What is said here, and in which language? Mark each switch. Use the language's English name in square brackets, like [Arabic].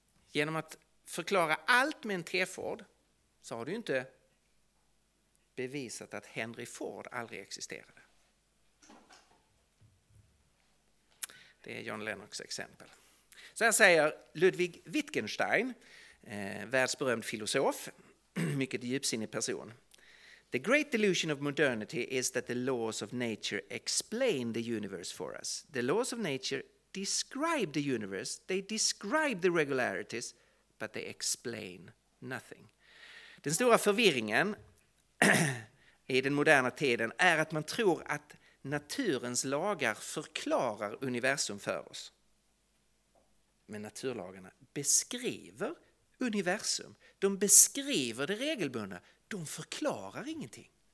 [Swedish] Genom att förklara allt med en T-Ford så har du ju inte bevisat att Henry Ford aldrig existerade. Det är John Lennox exempel. Så här säger Ludwig Wittgenstein, världsberömd filosof, mycket djupsinnig person. [English] The great delusion of modernity is that the laws of nature explain the universe for us. The laws of nature describe the universe, they describe the regularities, but they explain nothing. [Swedish] Den stora förvirringen i den moderna tiden är att man tror att naturens lagar förklarar universum för oss. Men naturlagarna beskriver universum. De beskriver det regelbundna. De förklarar ingenting.